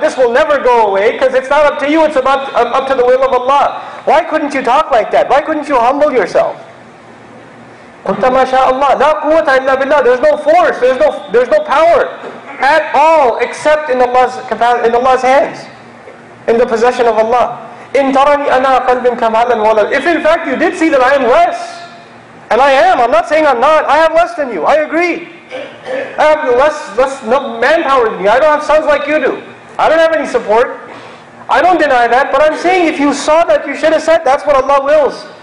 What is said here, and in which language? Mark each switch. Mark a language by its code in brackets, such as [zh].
[en] This will never go away because it's not up to you. It's about up to the will of Allah. Why couldn't you talk like that? Why couldn't you humble yourself? [ar] قُلْتَ مَا شَاءَ اللَّهِ لَا قُوَّةَ إِلَّا بِاللَّهِ. [en] There's no force. There's no power at all except in Allah's hands, in the possession of Allah. [ar] إِن تَرَنِي أَنَا أَقَلْ مِنْكَ مَالًا وَوَلَدًا. [en] If in fact you did see that I am less, and I am, I'm not saying I'm not, I have less than you, I agree. I have less manpower than you. I don't have sons like you do. I don't have any support. I don't deny that. But I'm saying if you saw that, you should have said that's what Allah wills.